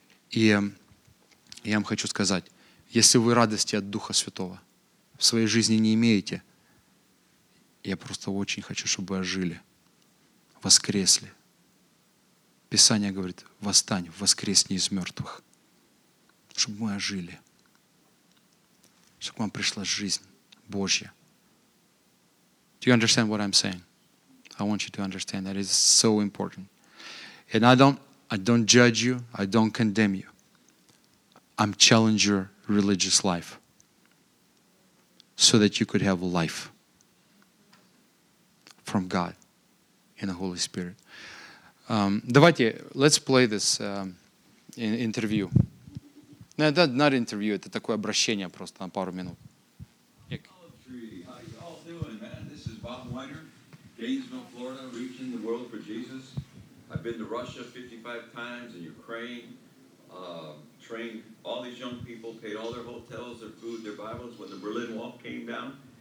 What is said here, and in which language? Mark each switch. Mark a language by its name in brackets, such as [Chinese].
[Russian] И я вам хочу сказать, если вы радости от Духа Святого в своей жизни не имеете, я просто очень хочу, чтобы вы ожили, воскресли. Писание говорит, восстань, воскресни из мертвых, чтобы мы ожили, чтобы к вам пришла жизнь Божья. [English] Do you understand what I'm saying? I want you to understand that it is so important. And I don't judge you, I don't condemn you. I'm challenging your religious life. So that you could have life from God in the Holy Spirit. [Russian] Давайте, [English] let's play this interview. No, that's not interview, [Russian] это такое обращение просто на пару минут. [English] Yeah. Olive Tree, how you all doing, man? This is Bob Weiner, Gainesville, Florida, reaching the world for Jesus. I've been to Russia 55 times and Ukraine, trained all these young people, paid all their hotels, their food, their Bibles when the Berlin Wall came down.